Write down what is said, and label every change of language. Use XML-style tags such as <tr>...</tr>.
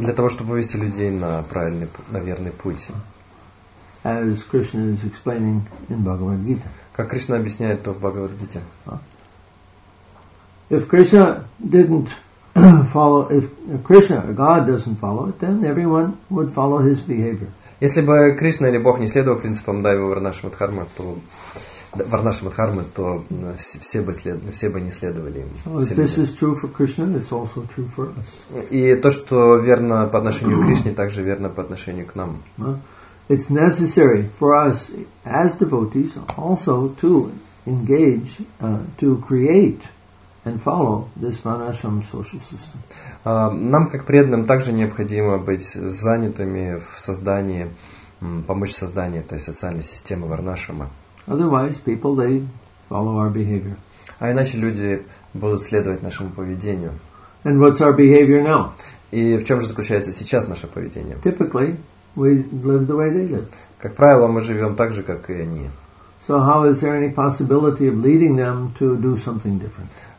<ru>Для того, чтобы вывести людей на правильный, на верный путь.</ru> <en>As Krishna is explaining in Bhagavad Gita.</en> <ru>Как Кришна объясняет то в Бхагавад Гите.</ru> <en>If Krishna didn't follow, if Krishna, God, doesn't follow it, then everyone would follow his behavior.</en> <ru>Если бы Кришна или Бог не следовал принципам Дайва Варнашрама Дхармы, то все бы не следовали им.</ru> <en>So if this is true for Krishna, it's also true for us.</en> <ru>И то, что верно по отношению к Кришне, также верно по отношению к нам.</ru> <en>It's necessary for us as devotees also to engage, to create and follow this Vanashram social system.</en> <ru>Нам, как преданным, также необходимо быть занятыми в создании, помочь создание этой социальной системы Варнашрама.</ru> <en>Otherwise, people, they follow our behavior.</en> <ru>А иначе люди будут следовать нашему поведению.</ru> <en>And what's our behavior now?</en> <ru>И в чем же заключается сейчас наше поведение?</ru> <en>Typically, we live the way they live.</en> <ru>Как правило, мы живем так же, как и они.</ru> <en>So how is there any possibility of leading them to do something different?</en>